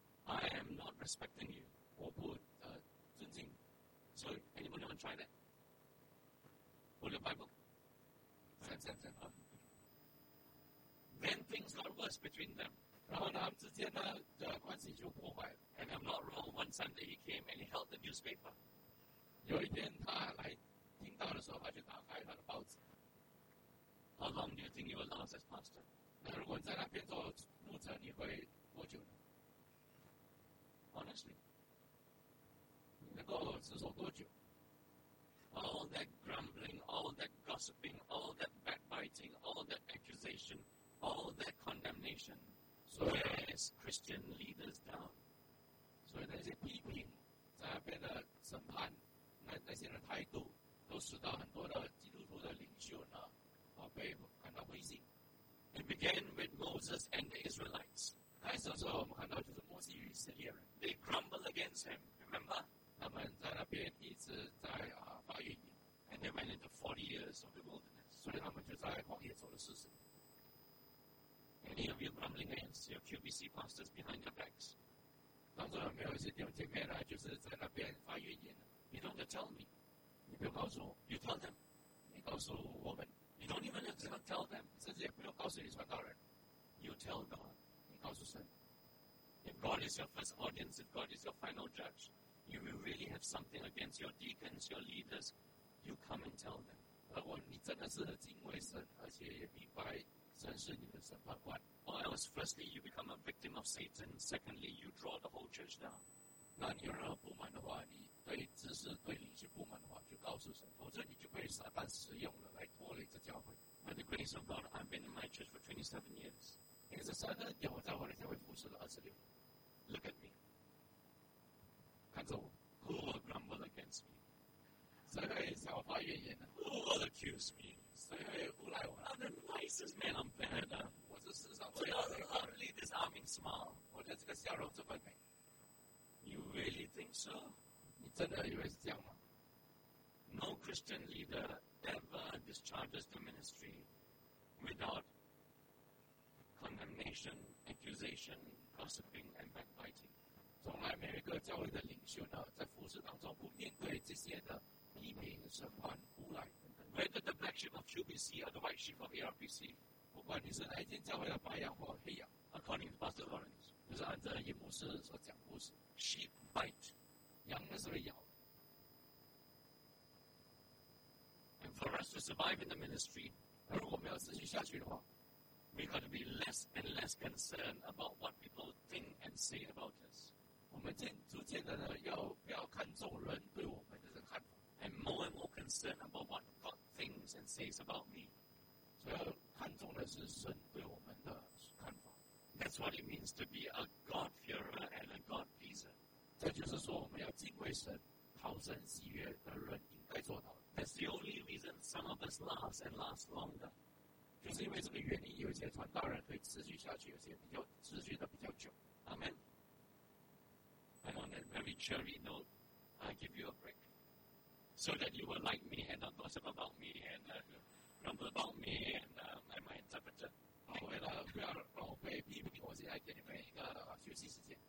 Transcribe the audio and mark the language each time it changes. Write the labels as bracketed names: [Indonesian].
[English] I am not respecting you， [Chinese] 我不尊敬。 [English] So anybody want to try that？ Hold your Bible。 Sam。 Then things got worse between them， [Chinese] 然后呢，他们之间呢的关系就破坏了。 [English] And I'm not wrong. One Sunday he came and he held the newspaper。 [Chinese] 有一天他来。听到的时候，他就打开他的报纸。 [English] How long do you think you will last as pastor？ [Chinese] 那如果你在那边做牧者，你会多久呢 [English] ？Honestly， [Chinese] 你能够持守多久 [English] ？All that grumbling, all that gossiping, all that backbiting, all that accusation, all that condemnation， so wears Christian leaders down。 [Chinese] 所以那些批评，在那边的审判，那那些的态度，都使到很多的基督徒的领袖呢，被感到灰心。 [English] It began with Moses and the Israelites. [Chinese] 开始的时候，我们看到就是摩西与以色列人。 [English] They grumbled against him. Remember? [Chinese] 他们在那边一直在发怨言。 [English] And they went into 40 years of the wilderness. [Chinese] 所以他们就在旷野走了40年。 [English] Any of you grumbling against your QBC pastors behind their backs? [Chinese] 当中有没有一些弟兄姐妹呢？就是在那边发怨言呢？ [English] You don't have to tell me. [Chinese] 你不要告诉我。 [English] You tell them. [Chinese] 你告诉我们。 [English] You don't even have to tell them. [Chinese] 甚至也不要告诉你传道人。 [English] You tell God. [Chinese] 你告诉神。 [English] If God is your first audience, if God is your final judge, you will really have something against your deacons, your leaders. You come and tell them. [Chinese] 如果你真的是敬畏神，而且也明白神是你的审判官。 [English] Or else, firstly, you become a victim of Satan. Secondly, you draw the whole church down. [Chinese] 那你有任何不满的话，你对知识、对领袖不满的话，就告诉神，否则你就被撒旦使用了，来拖累这教会。 [English] By the grace of God, I've been in my church for 27 years. [Chinese] 因为是撒旦叫我在我的教会服侍了26年。 [English] Look at me. [Chinese] 看着我。 [English] Who will grumble against me? [Chinese] 谁会向我发怨言呢？ [English] Who will accuse me? [Chinese] 谁会诬赖我？ [English] I'm the nicest man on planet. [Chinese] 我是世上最好的。 [English] So you're lovely, disarming smile. [Chinese] 我的这个笑容这么美。 [English] You really think so? [Chinese] 你真的以为是这样吗？ [English] No Christian leader ever discharges the ministry without condemnation, accusation, gossiping, and backbiting. [Chinese] 从来没有一个教会的领袖呢，在服事当中不面对这些的批评、审判、诬赖等等。 [English] Whether the black sheep of QBC or the white sheep of ARPC, [Chinese] 不管你是哪一间教会的白羊或黑羊 [English] ，according to Pastor Lawrence, [Chinese] 就是按照叶牧师所讲故事。 [English] Sheep bite, [Chinese] 羊呢是被咬。 [English] And for us to survive in the ministry, [Chinese] 如果我们要持续下去的话 [English] ，we got to be less and less concerned about what people think and say about us. [Chinese] 我们逐渐的呢，要不要看众人对我们的这个看法 [English] ？And more and more concerned about what God thinks and says about me. [Chinese] 所以要看重的是神对我们的看法。 [English] That's what it means to be a God-fearer and a God-pleaser. [Chinese] 这就是说我们要敬畏神、讨神喜悦的人应该做到的。 [English] That's the only reason some of us last and last longer. [Chinese] 就是因为这个原因，有些传道人会持续下去，有些比较持续的比较久。 [English] Amen. And on that very cheery note, I give you a break. So that you will like me and not gossip about me and grumble about me and my interpreter. [Chinese] 为了不要让我被批评，我现在给你们一个休息时间。